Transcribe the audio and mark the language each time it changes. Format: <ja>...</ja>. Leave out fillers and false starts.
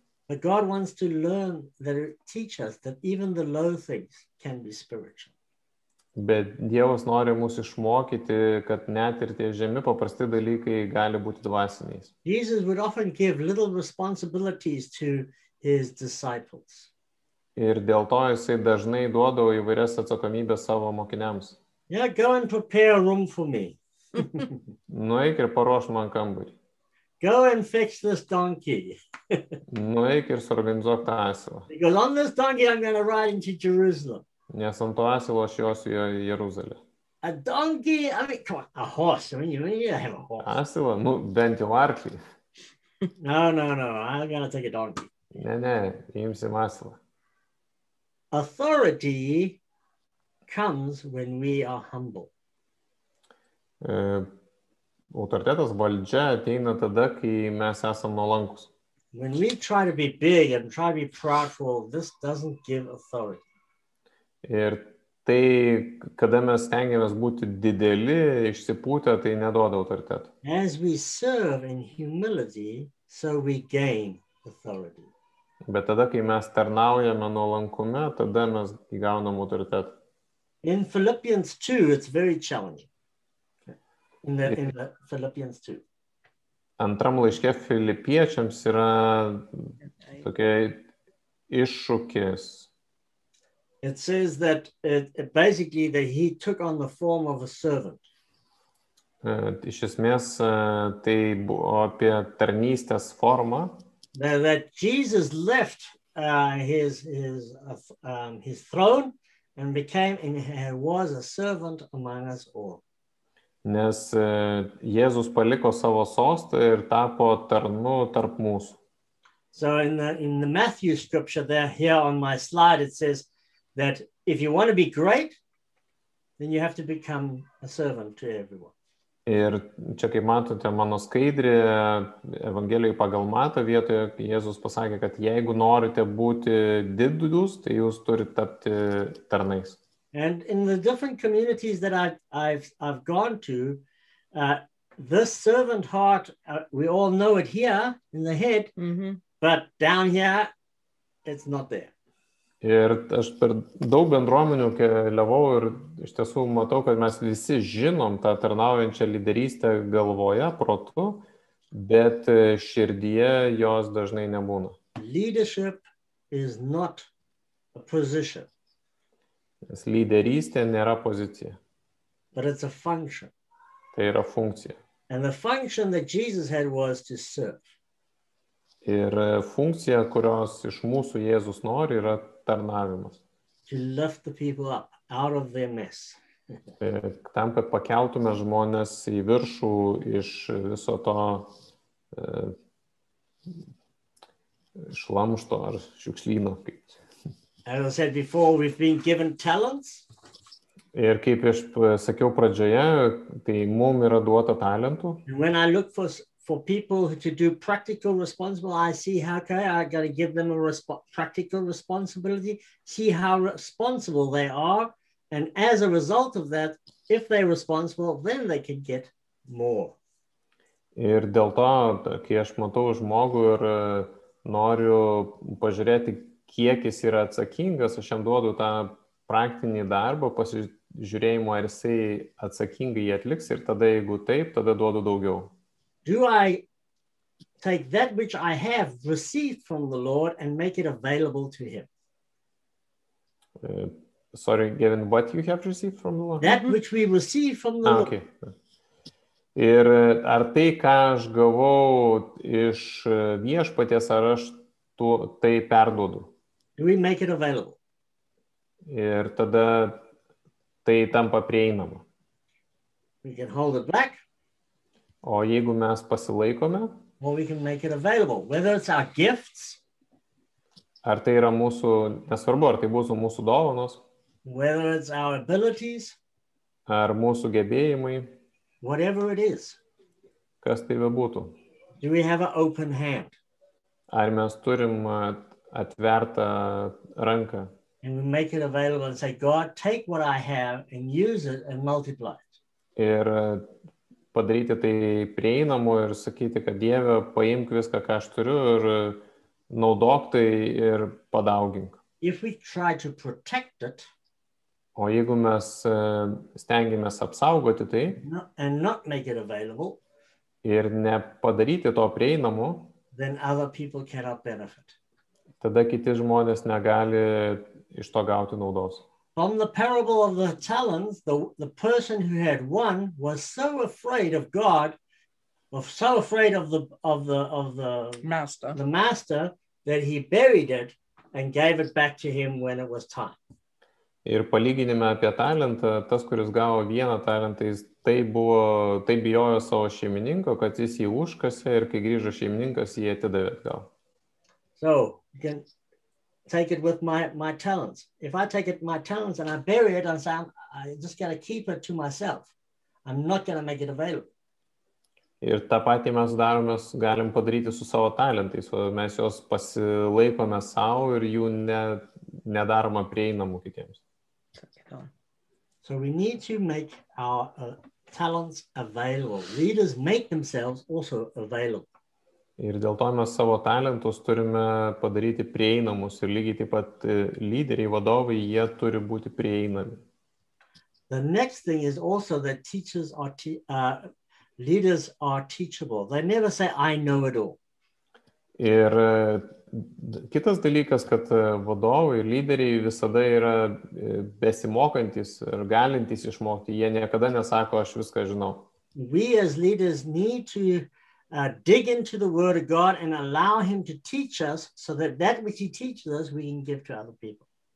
<en>But God wants to learn that it teach us that even the low things can be spiritual.</en> <lt>Bet Dievas nori mus išmokyti, kad net ir tie žemi paprasti dalykai gali būti dvasiniais.</lt> <en>Jesus would often give little responsibilities to his disciples.</en> <lt>Ir dėl to jisai dažnai duodavo įvairias atsakomybės savo mokiniams.</lt> <en>Yeah, go and prepare a room for me.</en> <lt>Nueik ir paruoš man kambarį.</lt> <en>Go and fix this donkey.</en> <lt>Nueik ir suorganizuok tą asilą.</lt> <en>Because on this donkey I'm going to ride into Jerusalem.</en> <lt>Nes ant to asilo aš josiu į Jeruzalę.</lt> <en>A donkey, I mean, come on, a horse. I mean, you need to have a horse.</en> <lt>Asilą, nu, bent jau arklį.</lt> <en>No, I'm going to take a donkey.</en> <lt>Ne, imsim asilą.</lt> <en>Authority comes when we are humble.</en> <lt>Autoritetas valdžia ateina tada, kai mes esam nuolankus.</lt> <en>When we try to be big and try to be prideful, this doesn't give authority.</en> <lt>Ir tai, kada mes stengiamės būti dideli, išsipūtę, tai neduoda autoritetą.</lt> <en>As we serve in humility, so we gain authority.</en> <lt>Bet tada, kai mes tarnaujame nuolankume, tada mes įgaunam autoritetą.</lt> <en>In Philippians 2, it's very challenging. In the Philippians 2.</en> <lt>Antram laiške Filipiečiams yra tokia iššūkis.</lt> <en>It says that basically that he took on the form of a servant.</en> <lt>Iš esmės tai buvo apie tarnystės formą.</lt> <en>That Jesus left his throne and became and was a servant among us all.</en> <lt>Nes Jėzus paliko savo sostą ir tapo tarnu tarp mūsų.</lt> <en>So in the Matthew scripture there here on my slide it says that if you want to be great then you have to become a servant to everyone.</en> <lt>Ir čia kaip matote mano skaidrėje Evangelijoje pagal Matą vietoje Jėzus pasakė, kad jeigu norite būti didūs, tai jūs turite tapti tarnais.</lt> <en>And in the different communities that I've gone to, this servant heart, we all know it here in the head, but down here, it's not there.</en> <lt>Ir aš per daug bendruomenių keliavau ir iš tiesų matau, kad mes visi žinom tą tarnaujančią lyderystę galvoje, protu, bet širdyje jos dažnai nebūna.</lt> <en>Leadership is not a position.</en> <lt>Nes lyderystė nėra pozicija.</lt> <en>But it's a function.</en> <lt>Tai yra funkcija.</lt> <en>And the function that Jesus had was to serve.</en> <lt>Ir funkcija, kurios iš mūsų Jėzus nori, yra tarnavimas.</lt> <en>To lift the people up out of their mess.</en> <lt>Tam, kad pakeltume žmonės į viršų iš viso to šlamšto ar šiukšlyno.</lt> <en>As I said before, we've been given talents.</en> <lt>Ir kaip aš sakiau pradžioje, tai mum yra duota talentų.</lt> <en>When I look for people to do practical responsible, I see how okay, I got to give them a practical responsibility, see how responsible they are, and as a result of that, if they're responsible, then they can get more.</en> <lt>Ir dėl to, kai aš matau žmogų ir noriu pažiūrėti, kiek jis yra atsakingas, aš jam duodu tą praktinį darbą, pasižiūrėjimo, ar jisai atsakingai jį atliks, ir tada, jeigu taip, tada duodu daugiau.</lt> <en>Do I take that which I have received from the Lord and make it available to him? Sorry, given what you have received from the Lord? That which we receive from the Lord.</en> <lt>Ir ar tai, ką aš gavau iš viešpaties, ar aš tu tai perduodu?</lt> <en>Do we make it available?</en> <lt>Ir tada tai tampa prieinama.</lt> <en>We can hold it back.</en> <lt>O jeigu mes pasilaikome,</lt> <en>well, we can make it available, whether it's our gifts,</en> <lt>ar tai yra mūsų, nesvarbu, ar tai būtų mūsų dovanos,</lt> <en>whether it's our abilities,</en> <lt>ar mūsų gebėjimai,</lt> <en>whatever it is,</en> <lt>kas tai bebūtų,</lt> <en>do we have an open hand,</en> <lt>ar mes turim atvertą ranką,</lt> <en>and we make it available and say, God, take what I have and use it and multiply it.</en> <lt>Ir padaryti tai prieinamu ir sakyti, kad Dieve, paimk viską, ką aš turiu ir naudok tai ir padaugink.</lt> <en>If we try to protect it,</en> <lt>o jeigu mes stengiamės apsaugoti tai</lt> <en>and not make it available,</en> <lt>ir nepadaryti to prieinamu,</lt> <en>then other people cannot benefit.</en> <lt>Tada kiti žmonės negali iš to gauti naudos.</lt> <en>From the parable of the talents, the person who had one was so afraid of God, was so afraid of the master, the master, that he buried it and gave it back to him when it was time.</en> <lt>Ir palyginime apie talentą, tas, kuris gavo vieną talentą, jis taip bijojo savo šeimininko, kad jis jį užkasė ir kai grįžo šeimininkas, jį atidavė atgal.</lt> <en>So, again, take it with my talents. If I take it my talents and I bury it and say, I just got to keep it to myself. I'm not going to make it available.</en> <lt>Ir tą patį mes darome, galim padaryti su savo talentais, o mes juos pasilaikome sau ir jų nedaroma prieinamu kitiems.</lt> <en>So we need to make our talents available. Leaders make themselves also available.</en> <lt>Ir dėl to mes savo talentus turime padaryti prieinamus ir lygiai taip pat lyderiai, vadovai, jie turi būti prieinami.</lt> <en>The next thing is also that teachers are leaders are teachable. They never say I know it all.</en> <lt>Ir kitas dalykas, kad vadovai, lyderiai visada yra besimokantis ir galintys išmokti. Jie niekada nesako aš viską žinau.</lt> <en>We as leaders need to dig into the word of God and allow him to teach us so that which he teaches us we can give to other people.</en>